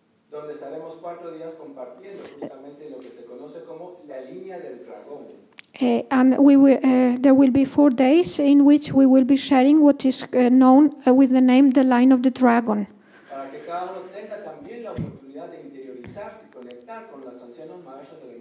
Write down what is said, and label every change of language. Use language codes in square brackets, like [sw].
[es] donde estaremos cuatro días compartiendo justamente lo que se conoce como la línea del dragón. [en] And we will, there will be 4 days in which we will be sharing what is known with the name the line of the dragon. [es] Para que cada uno tenga también la oportunidad de interiorizarse y conectar con las ancianas maestras.